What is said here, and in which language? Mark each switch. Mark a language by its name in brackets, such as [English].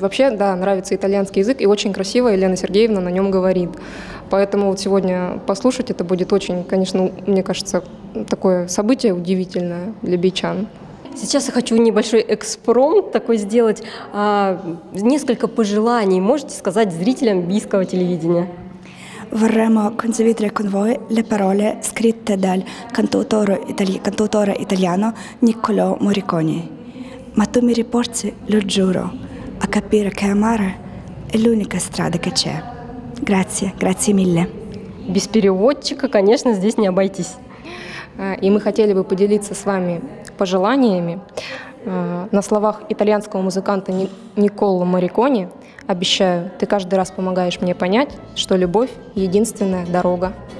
[Russian] Вообще, да, нравится итальянский язык, и очень красиво Елена Сергеевна на нем говорит. Поэтому вот сегодня послушать это будет очень, конечно, мне кажется, такое событие удивительное для бичан. Сейчас я хочу небольшой экспромт такой сделать. Несколько пожеланий можете сказать зрителям бийского телевидения? [Italian] Vorremmo condividere con voi le parole scritte dal cantautore italiano Niccolò Morricone. Ma tu mi riporti, lo giuro, a capire che amare è l'unica strada che c'è. Grazie, grazie mille. [Russian] Без переводчика, конечно, здесь не обойтись. И мы хотели бы поделиться с вами пожеланиями. На словах итальянского музыканта Никколо Морриконе обещаю, ты каждый раз помогаешь мне понять, что любовь – единственная дорога.